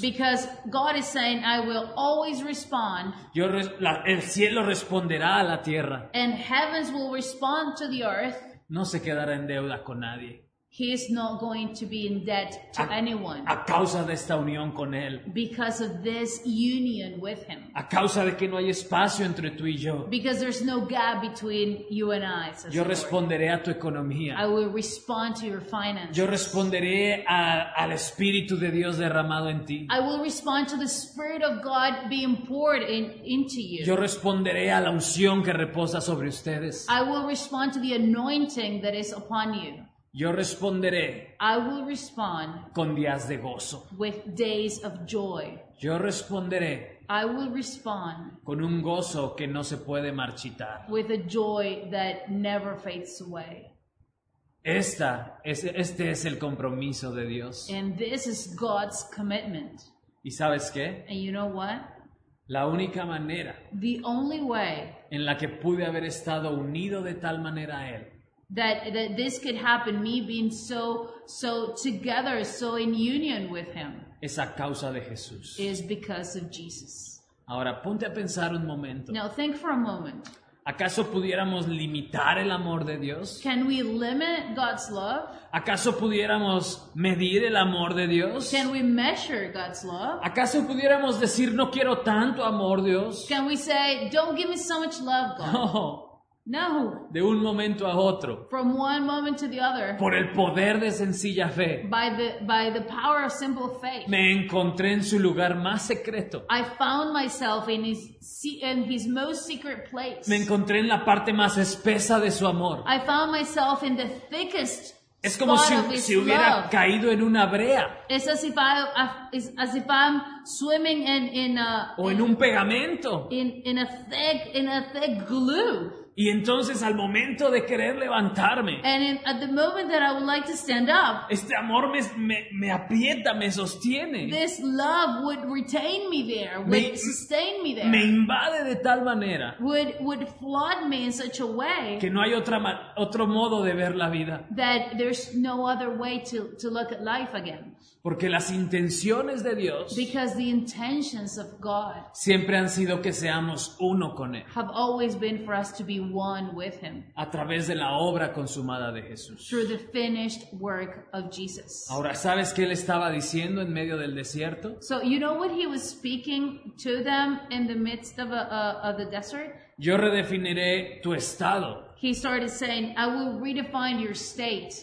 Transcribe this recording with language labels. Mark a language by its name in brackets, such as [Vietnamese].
[English] Because God is saying, I will always respond. [Spanish] El cielo responderá a la tierra. [English] And heavens will respond to the earth. [Spanish] No se quedará en deuda con nadie. [English] He is not going to be in debt to anyone. [Spanish] A causa de esta unión con él. [English] Because of this union with him. [Spanish] A causa de que no hay espacio entre tú y yo. [English] Because there's no gap between you and I. Says [Spanish] yo responderé a tu economía. [English] I will respond to your finances. [Spanish] Yo responderé al Espíritu de Dios derramado en ti. [English] I will respond to the Spirit of God being poured into you. [Spanish] Yo responderé a la unción que reposa sobre ustedes. [English] I will respond to the anointing that is upon you. [Spanish] Yo responderé. [English] I will respond [Spanish] con días de gozo. [English] With days of joy. [Spanish] Yo responderé. [English] I will respond [Spanish] con un gozo que no se puede marchitar. [English] With a joy that never fades away. [Spanish] Este es el compromiso de Dios. [English] And this is God's commitment. [Spanish] ¿Y sabes qué? [English] And you know what? [Spanish] La única manera. [English] The only way. [Spanish] En la que pude haber estado unido de tal manera a él. [English] That this could happen, me being so together, so in union with him. [Spanish] Es a causa de Jesús. [English] Is because of Jesus. [Spanish] Ahora ponte a pensar un momento. [English] Now think for a moment. [Spanish] ¿Acaso pudiéramos limitar el amor de Dios? [English] Can we limit God's love? [Spanish] ¿Acaso pudiéramos medir el amor de Dios? [English] Can we measure God's love? [Spanish] ¿Acaso pudiéramos decir no quiero tanto amor, Dios? [English] Can we say don't give me so much love, God? [Spanish] No. [English] No. [Spanish] De un momento a otro. [English] From one moment to the other. [Spanish] Por el poder de sencilla fe. [English] By the power of simple faith. [Spanish] Me encontré en su lugar más secreto. [English] I found myself in his most secret place. [Spanish] Me encontré en la parte más espesa de su amor. [English] I found myself in the thickest. [Spanish] Es como si hubiera [English] love. [Spanish] Caído en una brea. [English] It's as if I'm swimming in a [Spanish] o en un pegamento. [English] In a thick glue. [Spanish] Y entonces al momento de querer levantarme, [English] and in, at the moment that I would like to stand up, [Spanish] este amor me aprieta, me sostiene. [English] This love would retain me there, would sustain me there. [Spanish] Me invade de tal manera, [English] would flood me in such a way, [Spanish] que no hay otro modo de ver la vida. [English] That there's no other way to look at life again. [Spanish] Porque las intenciones de Dios, [English] because the intentions of God, [Spanish] siempre han sido que seamos uno con Él. [English] Have always been for us to be one with Him. [Spanish] A través de la obra consumada de Jesús. [English] Through the finished work of Jesus. [Spanish] Ahora, ¿sabes qué Él estaba diciendo en medio del desierto? [English] So, you know what He was speaking to them in the midst of the desert? [Spanish] Yo redefiniré tu estado. [English] He started saying, I will redefine your state.